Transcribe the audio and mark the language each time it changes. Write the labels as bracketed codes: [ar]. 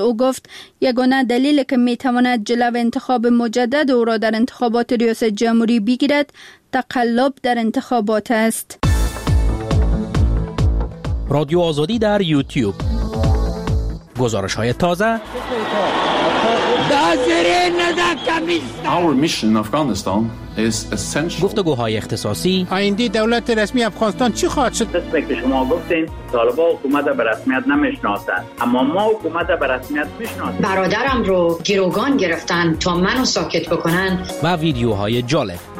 [fa] او گفت یگانه دلیلی که می تواند جلو انتخاب مجدد او را در انتخابات ریاست جمهوری بگیرد تقلب در انتخابات است. رادیو آزادی در یوتیوب گزارش های تازه. [en] Our mission in Afghanistan is essential. [fa] گفتگوهای اختصاصی. آیندی دولت رسمی افغانستان چی خواهد شد؟ شما گفتین طالبان حکومت به رسمیت نمیشناسن، اما ما حکومت به رسمیت میشناسیم. برادرم رو گروگان گرفتن تا منو ساکت بکنن. و ویدیوهای جالب.